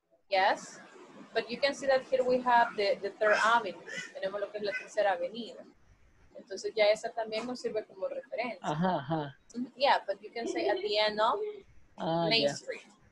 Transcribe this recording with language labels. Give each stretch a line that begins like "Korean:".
English: Yes, but you can see that here we have the Third Avenue.
Spanish: Tenemos lo que es la tercera avenida. Entonces ya esa también nos sirve como referencia. Ajá, ajá. Mm-hmm.
English: Yeah, but you can say at the end of Main Street.